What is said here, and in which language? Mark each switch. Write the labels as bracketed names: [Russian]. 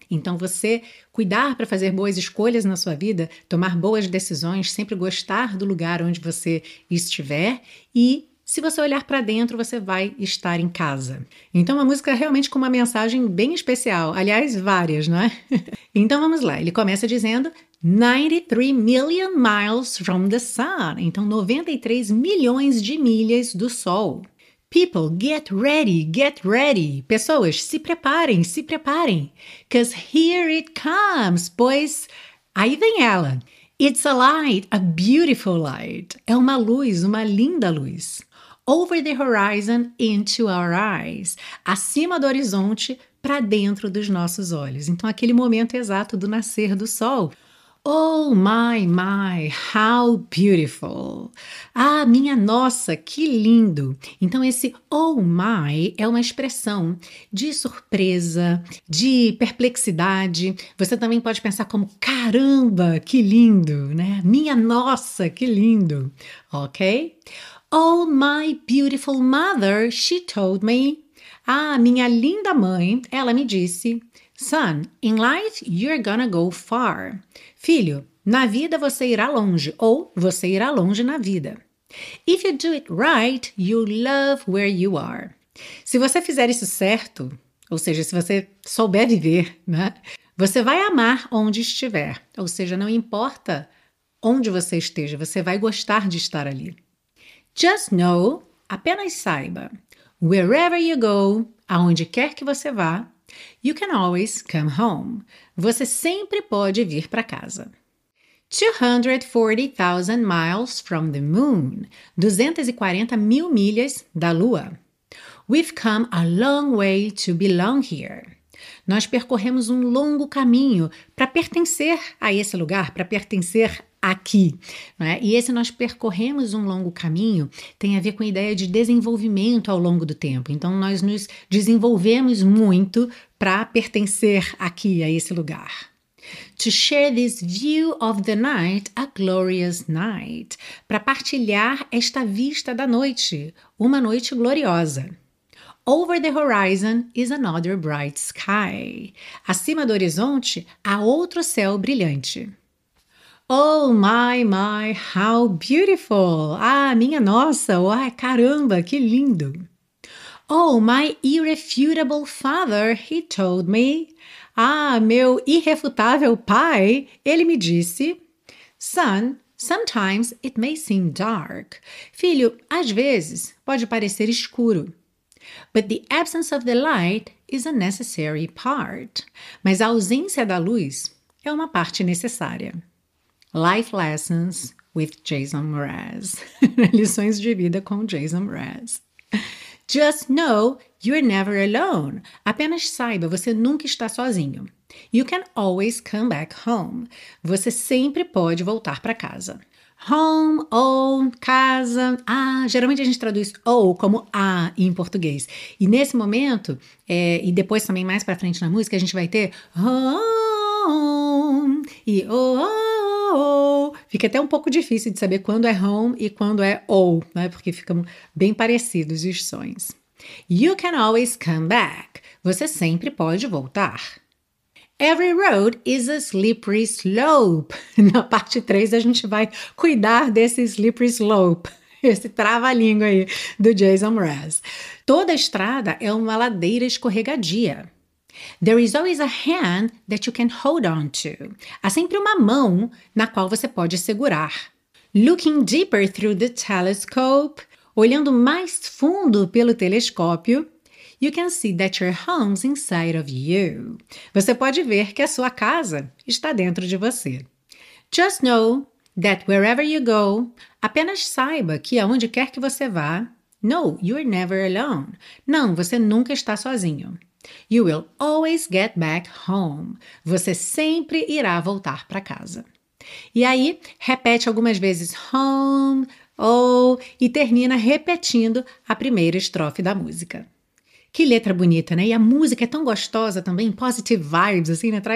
[Portuguese] Então, você cuidar para fazer boas escolhas na sua vida, tomar boas decisões, sempre gostar do lugar onde você estiver e, se você olhar para dentro, você vai estar em casa. Então, a música é realmente com uma mensagem bem especial. Aliás, várias, não é? Então, vamos lá. Ele começa dizendo [English] 93 million miles from the sun. [Portuguese] Então, 93 milhões de milhas do sol. [English] People, get ready, get ready. [Portuguese] Pessoas, se preparem, se preparem. [English] 'Cause here it comes. [Portuguese] Pois, aí vem ela. [English] It's a light, a beautiful light. [Portuguese] É uma luz, uma linda luz. [English] Over the horizon, into our eyes. [Portuguese] Acima do horizonte, para dentro dos nossos olhos. Então, aquele momento exato do nascer do sol. [English] Oh, my, my, how beautiful. [Portuguese] Ah, minha nossa, que lindo. Então, esse oh, my, é uma expressão de surpresa, de perplexidade. Você também pode pensar como caramba, que lindo, né? Minha nossa, que lindo, ok? [English] Oh, my beautiful mother, she told me. [Portuguese] Ah, minha linda mãe, ela me disse. [English] Son, in life, you're gonna go far. [Portuguese] Filho, na vida você irá longe, ou você irá longe na vida. [English] If you do it right, you love where you are. [Portuguese] Se você fizer isso certo, ou seja, se você souber viver, né? Você vai amar onde estiver. Ou seja, não importa onde você esteja, você vai gostar de estar ali. [English] Just know, [Portuguese] apenas saiba, [English] wherever you go, [Portuguese] aonde quer que você vá, [English] you can always come home. [Portuguese] Você sempre pode vir para casa. [English] 240,000 miles from the moon. [Portuguese] 240,000 milhas da lua. [English] We've come a long way to belong here. [Portuguese] Nós percorremos um longo caminho para pertencer a esse lugar, para pertencer aqui, né? E esse nós percorremos um longo caminho tem a ver com a ideia de desenvolvimento ao longo do tempo. Então, nós nos desenvolvemos muito para pertencer aqui, a esse lugar. [English] To share this view of the night, a glorious night. [Portuguese] Para partilhar esta vista da noite, uma noite gloriosa. [English] Over the horizon is another bright sky. [Portuguese] Acima do horizonte, há outro céu brilhante. [English] Oh my, my, how beautiful! [Portuguese] Ah, minha nossa! Uai, caramba, que lindo! [English] Oh, my irrefutable father, he told me. [Portuguese] Ah, meu irrefutável pai, ele me disse. [English] Son, sometimes it may seem dark. [Portuguese] Filho, às vezes pode parecer escuro. [English] But the absence of the light is a necessary part. [Portuguese] Mas a ausência da luz é uma parte necessária. [English] Life Lessons with Jason Mraz. [Portuguese] Lições de vida com Jason Mraz. [English] Just know you're never alone. [Portuguese] Apenas saiba, você nunca está sozinho. [English] You can always come back home. [Portuguese] Você sempre pode voltar para casa. Home, ou casa. Ah, geralmente a gente traduz ou como a em português. E nesse momento, e depois também mais para frente na música, a gente vai ter home e oh. Fica até um pouco difícil de saber quando é home e quando é ou, né? Porque ficam bem parecidos os sons. [English] You can always come back. [Portuguese] Você sempre pode voltar. [English] Every road is a slippery slope. [Portuguese] Na parte 3 a gente vai cuidar desse slippery slope. Esse trava-língua aí do Jason Mraz. Toda estrada é uma ladeira escorregadia. [English] There is always a hand that you can hold on to. [Portuguese] Há sempre uma mão na qual você pode segurar. [English] Looking deeper through the telescope, [Portuguese] olhando mais fundo pelo telescópio, [English] you can see that your home's inside of you. [Portuguese] Você pode ver que a sua casa está dentro de você. [English] Just know that wherever you go, [Portuguese] apenas saiba que aonde quer que você vá, [English] no, you're never alone. [Portuguese] Não, você nunca está sozinho. [English] You will always get back home. [Portuguese] Você sempre irá voltar para casa. E aí, repete algumas vezes home, oh, e termina repetindo a primeira estrofe da música. Que letra bonita, né? E a música é tão gostosa também, [English] positive vibes, [Portuguese] assim, né?